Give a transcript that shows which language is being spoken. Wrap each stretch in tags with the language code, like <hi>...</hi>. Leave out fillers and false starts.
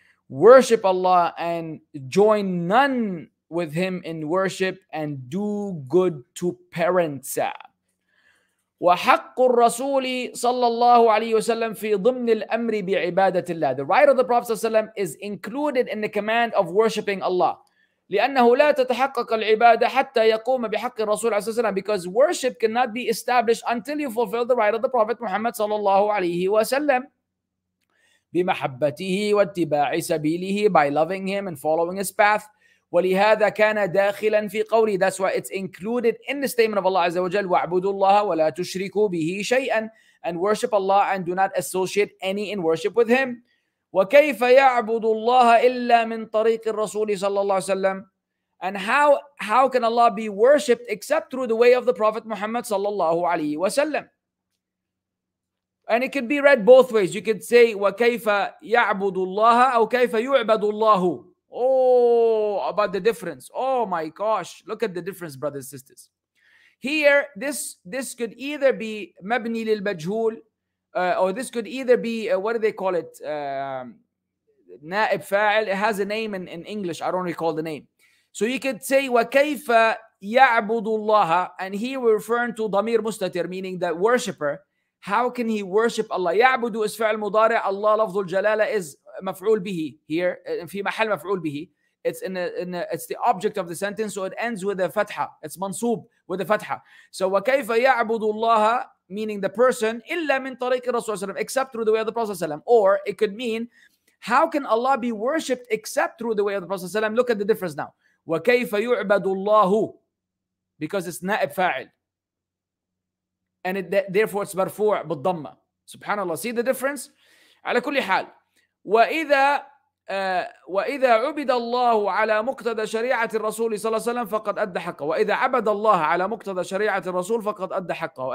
<en>Worship Allah and join none with Him in worship and do good to parents.</en> <ar>وَحَقُّ الرَّسُولِ صَلَّى اللَّهُ عَلَيْهِ وَسَلَّمْ فِي ضُمْنِ الْأَمْرِ بِعِبَادَةِ اللَّهِ.</ar> <en>The right of the Prophet ﷺ is included in the command of worshipping Allah.</en> <ar>لأنه لا تتحقق العبادة حتى يقوم بحق الرسول عليه السلام.</ar> <en>Because worship cannot be established until you fulfill the right of the Prophet Muhammad</en> <ar>صلى الله عليه وسلم بمحبته واتباع سبيله,</ar> <en>by loving him and following his path.</en> <ar>ولهذا كان داخلا في قولي.</ar> <en>That's why it's included in the statement of Allah عز وجل.</en> <ar>واعبدوا الله ولا تشركوا به شيئا.</ar> <en>And worship Allah and do not associate any in worship with him.</en> <ar>وَكَيْفَ يَعْبُدُ اللَّهَ إِلَّا مِنْ طَرِيقِ الرَّسُولِ صَلَّى اللَّهُ وَسَلَّمْ.</ar> <en>And how can Allah be worshipped except through the way of the Prophet Muhammad صَلَّى اللَّهُ عَلَيْهِ وَسَلَّمْ. And it could be read both ways. You could say</en> <ar>وَكَيْفَ يَعْبُدُ اللَّهَ أو كَيْفَ يُعْبَدُ اللَّهُ.</ar> <en>Oh, about the difference. Oh my gosh, look at the difference, brothers and sisters. Here, this could either be مَبْنِي لِلْمَجْهُولِ. Or this could either be, what do they call it?</en> <ar>نائب فاعل.</ar> <en>It has a name in English. I don't recall the name. So you could say,</en> <ar>وَكَيْفَ يَعْبُدُ اللَّهَ.</ar> <en>And here we're referring to ضمير مستتر, meaning that worshipper. How can he worship Allah?</en> <ar>يَعْبُدُ is فعل مضارع. Allah لفظُ الجلالة is مفعول به here. في محل مفعول به.</ar> <en>It's it's the object of the sentence. So it ends with a fatha. It's منصوب with a fatha. So</en> <ar>وَكَيْفَ يَعْبُدُ اللَّهَ,</ar> <en>meaning the person,</en> <ar>إِلَّا مِنْ طَرِيقِ الرَّسُولِ,</ar> <en>except through the way of the Prophet ﷺ. Or it could mean, how can Allah be worshipped except through the way of the Prophet ﷺ? Look at the difference now.</en> <ar>وَكَيْفَ يُعْبَدُ اللَّهُ,</ar> <en>because it's</en> <ar>نَائِب فَاعِل.</ar> <en>And therefore it's مَرْفُوع بِالضَّمَّة. SubhanAllah, see the difference?</en> <ar>على كل حال, وَإِذَا عُبِدَ اللَّهُ عَلَى مُقْتَدَى شَرِيعَةِ الرَّسُولِ صَلَى اللَّهُ عَلَيْهِ وَسَلَّمَ فَقَدْ أَدَّى حَقَّهُ. وَإِذَا عَبَدَ اللَّهُ عَلَى مُقْتَدَى شَرِيعَةِ الرَّسُولِ فَقَدْ أَدَّى حَقَّهُ.</ar>